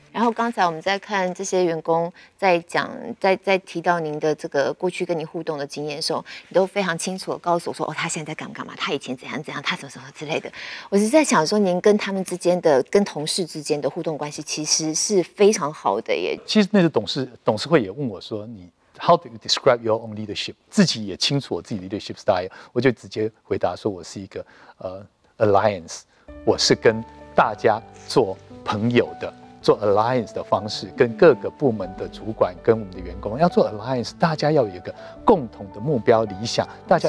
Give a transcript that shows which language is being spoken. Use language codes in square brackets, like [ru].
[zh] 然后刚才我们在看这些员工在讲，在提到您的这个过去跟你互动的经验的时候，你都非常清楚的告诉我说，哦，他现在在干嘛干嘛，他以前怎样怎样，他什么什么之类的。我是在想说，您跟他们之间的，跟同事之间的互动关系其实是非常好的耶。其实那个董事会也问我说，你 [en] How do you describe your own leadership？ [zh] 自己也清楚我自己 [en] leadership style， [zh] 我就直接回答说我是一个alliance， 我是跟大家做朋友的。做 alliance 的方式，跟各个部门的主管，跟我们的员工要做 alliance， 大家要有一个共同的目标理想，大家